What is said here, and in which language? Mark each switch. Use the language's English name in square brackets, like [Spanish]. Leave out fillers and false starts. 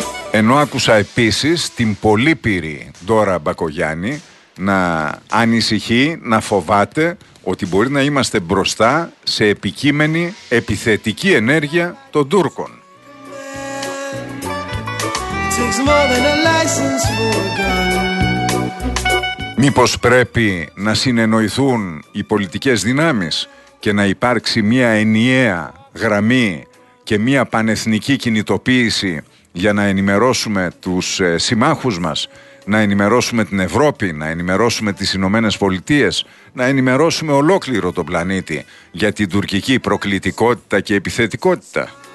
[Greek] Ενώ άκουσα επίσης την πολύπυρη Ντόρα Μπακογιάννη να ανησυχεί, να φοβάται ότι μπορεί να είμαστε μπροστά σε επικείμενη επιθετική ενέργεια των Τούρκων. [English] takes more than a license for a gun. [Greek] Μήπως πρέπει να συνεννοηθούν οι πολιτικές δυνάμεις και να υπάρξει μια ενιαία γραμμή και μια πανεθνική κινητοποίηση για να ενημερώσουμε τους συμμάχους μας, να ενημερώσουμε την Ευρώπη, να ενημερώσουμε τις Ηνωμένες Πολιτείες, να ενημερώσουμε ολόκληρο τον πλανήτη για την τουρκική προκλητικότητα και επιθετικότητα.